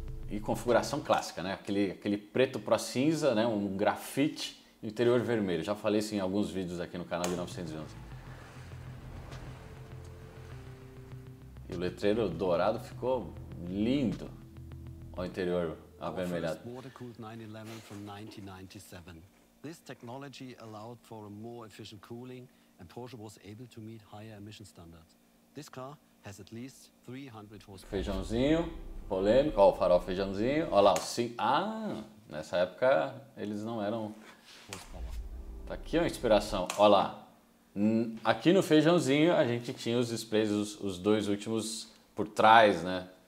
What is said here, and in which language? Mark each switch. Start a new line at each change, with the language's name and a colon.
Portuguese: E configuração clássica, né? Aquele preto para cinza, né? Um grafite e interior vermelho. Já falei isso em alguns vídeos aqui no canal de 911. E o letreiro dourado ficou lindo. Olha o interior avermelhado.
English: Water-cooled 911 from 1997. This technology allowed for a more efficient cooling and Porsche was able to meet higher emission standards. This car has at least 300 horsepower. Feijãozinho.
Portuguese: Polêmico, ó, o farol feijãozinho, ó lá, o sim. Ah, nessa época eles não eram. Tá aqui uma inspiração, ó lá. Aqui no feijãozinho a gente tinha os displays, os dois últimos por trás, né?